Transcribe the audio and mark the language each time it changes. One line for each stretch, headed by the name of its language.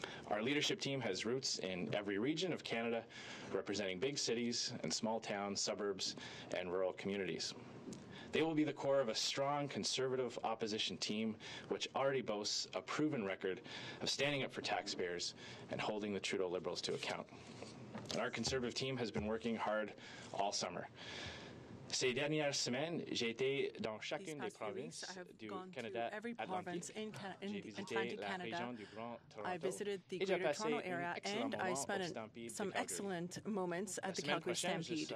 English: Our leadership team has roots in every region of Canada, representing big cities and small towns, suburbs, and rural communities. They will be the core of a strong conservative opposition team, which already boasts a proven record of standing up for taxpayers and holding the Trudeau Liberals to account. And our conservative team has been working hard all summer.
French: Ces dernières semaines, j'ai été dans chacune des provinces du Canada Atlantique.
English: I visited the Greater Toronto area and I spent some excellent moments at the Calgary Stampede.